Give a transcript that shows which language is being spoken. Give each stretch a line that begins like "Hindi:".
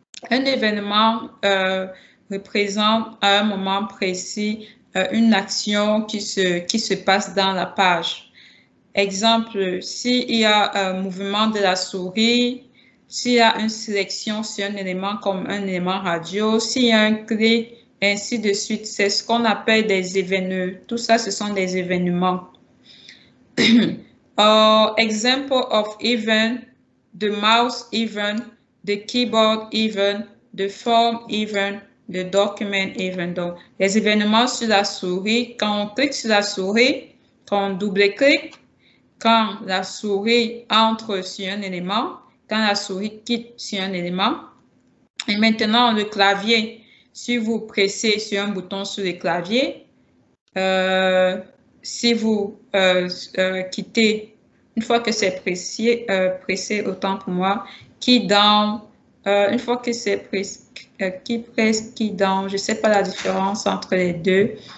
French: Un événement représente à un moment précis une action qui se passe dans la page. Exemple, s'il y a un mouvement de la souris, s'il y a une sélection sur un élément comme un élément radio, s'il y a un clic, ainsi de suite, c'est ce qu'on appelle des événements. Tout ça, ce sont des événements.
English: example of event, the mouse event, the keyboard event, the form event, the document event.
French: Donc, les événements sur la souris, quand on clique sur la souris, quand on double-clique, quand la souris entre sur un élément, quand la souris quitte sur un élément. Et maintenant, le clavier, si vous pressez sur un bouton sur le clavier, si vous quittez, une fois que c'est pressé, autant pour moi, qui presse, je ne sais pas la différence entre les deux.